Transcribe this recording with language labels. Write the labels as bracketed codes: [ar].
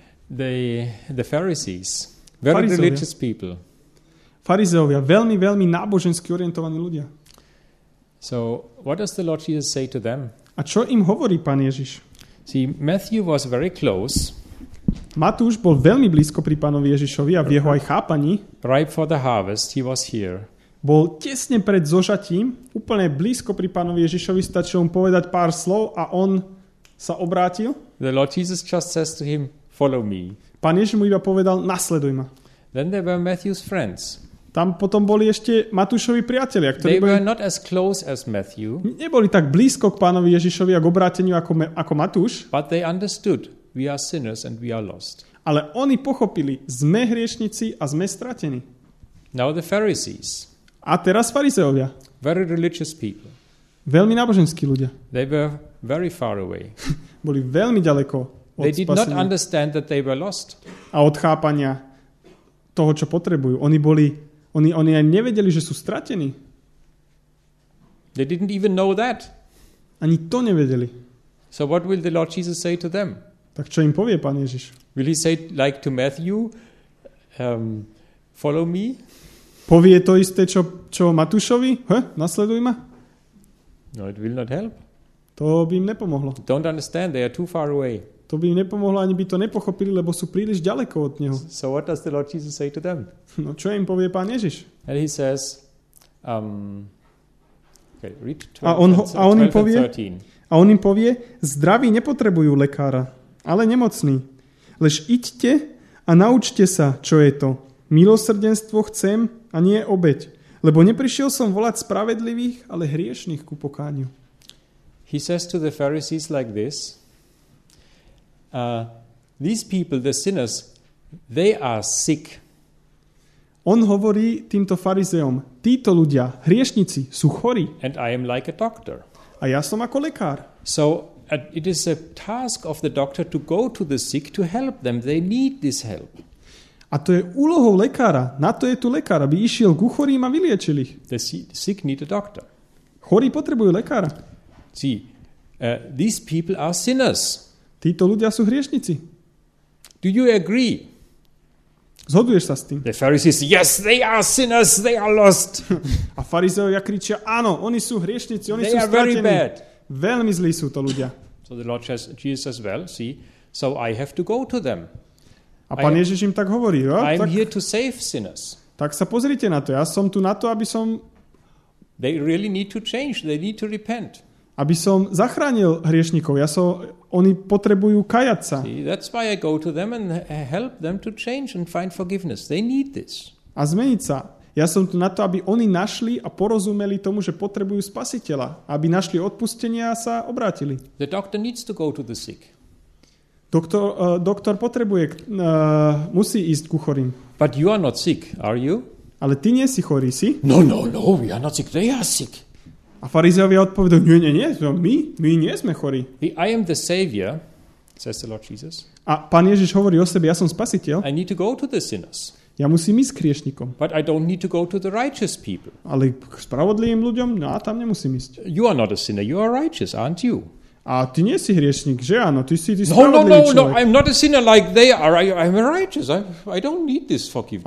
[en] The Pharisees, very farizeovia. Religious people. [sk] Farizeovia, veľmi, veľmi nábožensky orientovaní ľudia. [en] So, what does the Lord Jesus say to them? [sk] A čo im hovorí Pán Ježiš? [en] See, Matthew was very close. [sk] Matúš bol veľmi blízko pri Pánovi Ježišovi a v jeho aj chápaní. [en] Ripe for the harvest, he was here. [sk] Bol tesne pred zožatím, úplne blízko pri Pánovi Ježišovi, stačilo mu povedať pár slov a on sa obrátil. [en] The Lord Jesus just says to him, follow me. [sk] Pán Ježiš mu iba povedal, nasleduj ma. [en] Then there were Matthew's friends. [sk] Tam potom boli ešte Matúšovi priatelia, ktorí [en] they were not as close as Matthew, [sk] neboli tak blízko k Pánovi Ježišovi a k obráteniu ako, ako Matúš. [en] But they understood, we are sinners and we are lost. [sk] Ale oni pochopili, sme hriešnici a sme stratení. [en] Now the Pharisees. [sk] A teraz farizeovia. [en] Very religious people. [sk] Veľmi náboženskí ľudia. [en] They were very far away. [sk] Boli veľmi ďaleko od [en] they did [sk] spasenia. [en] Not understand that they were lost. [sk] A od chápania toho, čo potrebujú. Oni boli, oni aj nevedeli, že sú stratení. [en] They didn't even know that. [sk] Ani to nevedeli. [en] So what will the Lord Jesus say to them? [sk] Tak čo im povie Pán Ježiš? [en] Will he say like to Matthew, follow me? [sk] Povie to isté, čo Matúšovi? Huh? Nasleduj ma? [en] No, it will not help. [sk] To by im nepomohlo. [en] Don't understand, they are too far away. [sk] To by im nepomohlo, ani by to nepochopili, lebo sú príliš ďaleko od neho. [en] So what does the Lord Jesus say to them? [sk] No čo im povie Pán Ježiš? [en] And he says, okay, read 12, [sk] a on im povie, a on im povie, zdraví nepotrebujú lekára, ale nemocní. Lež iďte a naučte sa, čo je to. Milosrdenstvo chcem a nie obeť, lebo neprišiel som volať spravedlivých, ale hriešných ku pokániu. [en] He says to the Pharisees like this, these people, the sinners, they are sick. [sk] On hovorí týmto farizeom, títo ľudia, hriešnici, sú chorí. [en] And I am like a doctor. [sk] A ja som ako lekár. [en] So it is a task of the doctor to go to the sick to help them. They need this help. [sk] A to je úlohou lekára. Na to je tu lekár, aby išiel ku chorým a vyliečil ich. [en] The sick need a doctor. [sk] Chorí potrebujú lekára. [en] See, these people are sinners. [sk] Títo ľudia sú hriešnici. [en] Do you agree? [sk] Zhoduješ sa s tým? [en] The Pharisees, yes, they are sinners, they are lost. [sk] A farizeovia kričia, áno, oni sú hriešnici, oni [en] they [sk] sú stratení. [en] Are very bad. [sk] Veľmi zlí sú to ľudia. [en] So the Lord says, Jesus says, well, see, so I have to go to them. [sk] A Pán Ježiš im tak hovorí, jo? [en] I'm [sk] tak, [en] here to save sinners. [sk] Tak sa pozrite na to, ja som tu na to, aby som... [en] They really need to change, they need to repent. [sk] Aby som zachránil hriešnikov. Ja som, oni potrebujú kajať sa. [en] See, that's why I go to them and help them to change and find forgiveness. They need this. [sk] A zmeniť sa. Ja som tu na to, aby oni našli a porozumeli tomu, že potrebujú spasiteľa. Aby našli odpustenie a sa obrátili. [en] The doctor needs to go to the sick. [sk] Doktor potrebuje, musí ísť ku chorým. [en] But you are not sick, are you? [sk] Ale ty nie si chorý, si? [en] No, no, no, we are not sick, they are sick. [sk] A farizeovia odpovedú, nie, nie, nie, my nie sme chorí. [en] I am the savior, says the Lord Jesus. [sk] A Pán Ježiš hovorí o sebe, ja som spasiteľ. [en] I need to go to the sinners. [sk] Ja musím ísť k hriešnikom. [en] But I don't need to go to the righteous people. [sk] Ale k spravodlivým ľuďom, no a tam nemusím ísť. [en] You are not a sinner, you are righteous, aren't you? [sk] A ty nie si hriešnik, že áno, ty no, spravodlivý človek. [en] No, I'm not a sinner like they are, I'm a righteous, I don't need this forgiveness.